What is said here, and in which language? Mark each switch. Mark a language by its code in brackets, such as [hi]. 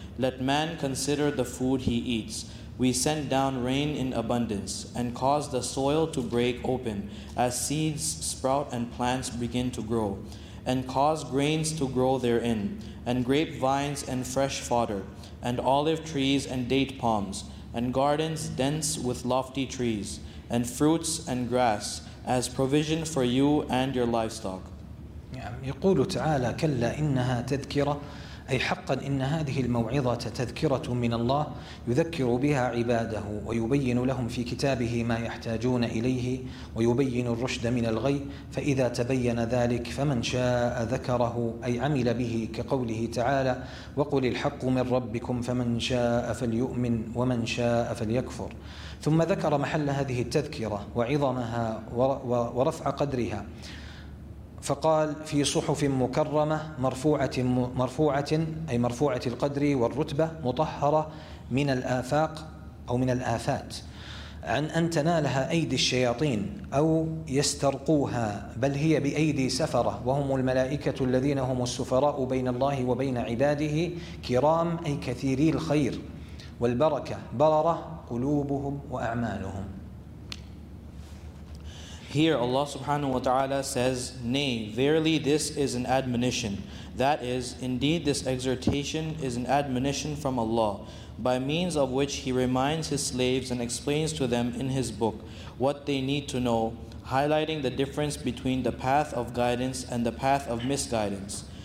[en] Let man consider the food he eats. We send down rain in abundance and cause the soil to break open as seeds sprout and plants begin to grow. And cause grains to grow therein, and grape vines and fresh fodder, and olive trees and date palms, and gardens dense with lofty trees, and fruits and grass, as provision for you and your livestock. [ar] يقول تعالى كلا إنها تذكرة أي حقا إن هذه الموعظة تذكرة من الله يذكر بها عباده ويبين لهم في كتابه ما يحتاجون إليه ويبين الرشد من الغي فإذا تبين ذلك فمن شاء ذكره أي عمل به كقوله تعالى وقل الحق من ربكم فمن شاء فليؤمن ومن شاء فليكفر ثم ذكر محل هذه التذكرة وعظمها ورفع قدرها فقال في صحف مكرمة مرفوعة أي مرفوعة القدر والرتبة مطهرة من الآفاق أو من الآفات عن أن تنالها أيدي الشياطين أو يسترقوها بل هي بأيدي سفرة وهم الملائكة الذين هم السفراء بين الله وبين عباده كرام أي كثيري الخير والبركة بررة قلوبهم وأعمالهم. [en] Here Allah subhanahu wa ta'ala says, nay, verily this is an admonition. That is, indeed this exhortation is an admonition from Allah, by means of which He reminds His slaves and explains to them in His book what they need to know, highlighting the difference between the path of guidance and the path of misguidance.